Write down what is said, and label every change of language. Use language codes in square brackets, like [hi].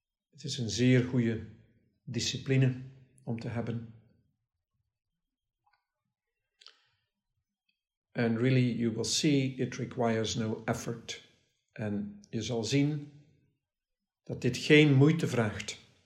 [nl] Het is een zeer goede discipline om te hebben. [en] And really, you will see, it requires no effort. [nl] En je zal zien dat dit geen moeite vraagt.